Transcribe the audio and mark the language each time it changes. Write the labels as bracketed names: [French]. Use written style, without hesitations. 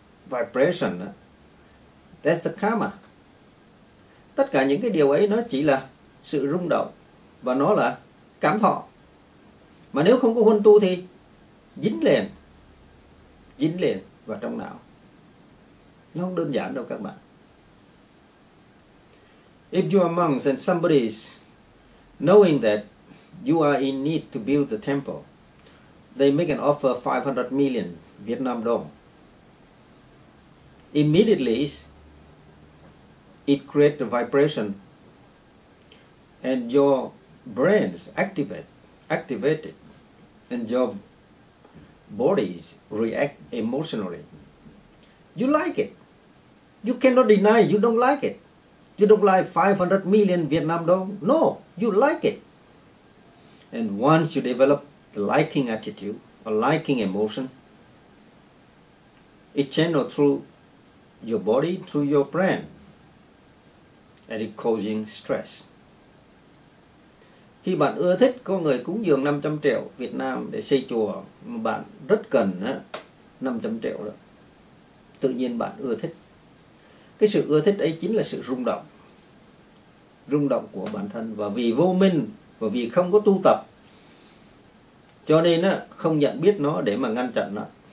[English] Vibration, that's the karma. [Vietnamese] Tất cả những cái điều ấy nó chỉ là sự rung động và nó là cảm thọ. Mà nếu không có huân tu thì dính liền vào trong não. Nó không đơn giản đâu các bạn. [English] If you are monks and somebody is knowing that You are in need to build the temple. They make an offer 500 million Vietnam dong. Immediately, it creates a vibration and your brains activated and your bodies react emotionally. You like it. You cannot deny you don't like it. You don't like 500 million Vietnam dong. No, you like it. And once you develop the liking attitude or liking emotion, it channels through your body, through your brain, and it causing stress. [Vietnamese] Khi bạn ưa thích, có người cúng dường 500 triệu Việt Nam để xây chùa, mà bạn rất cần 500 triệu đó. Tự nhiên bạn ưa thích. Cái sự ưa thích ấy chính là sự rung động. Rung động của bản thân. Và vì vô minh, và vì không có tu tập, cho nên không nhận biết nó để mà ngăn chặn nó.